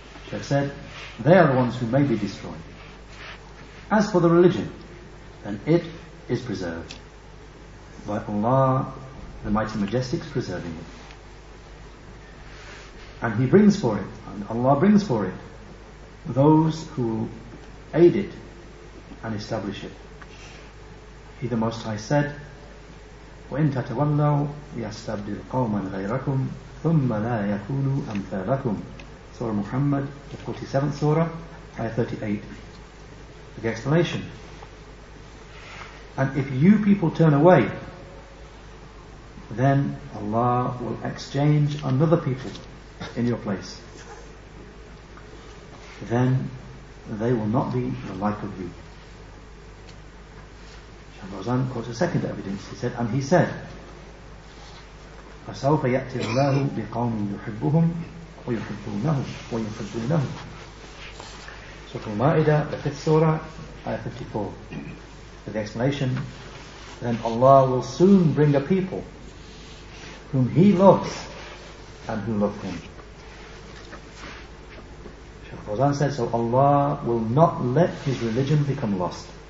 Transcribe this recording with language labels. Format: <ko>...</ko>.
<en>Sheikh said, they are the ones who may be destroyed. As for the religion, then it is preserved by Allah, the Mighty Majestic's preserving it. And He brings for it, and Allah brings for it, those who aid it and establish it. He, the Most High, said,</en> <ar>وَإِن تَتَوَلَّوْا يَسْتَبْدِلْ قَوْمًا غَيْرَكُمْ ثُمَّ لَا يَكُونُوا أَمْثَالَكُمْ.</ar> <en>Surah Muhammad, the 47th Surah, Ayah 38. The explanation. And if you people turn away, then Allah will exchange another people in your place. Then they will not be the like of you. Shahrazan quotes a second evidence. He said, and he said,</en> <ar>فَسَوْفَ يَأْتِ اللَّهُ بِقَوْمٍ يُحِبُّهُمْ وَيُحِبُّونَهُمْ وَيُحِبُّونَهُمْ.</ar> <en>Surah Al-Ma'idah, the 5th Surah, Ayah 54. For the explanation, then Allah will soon bring a people whom He loves and who love Him. Shaykh Fawzan said, so Allah will not let His religion become lost.</en>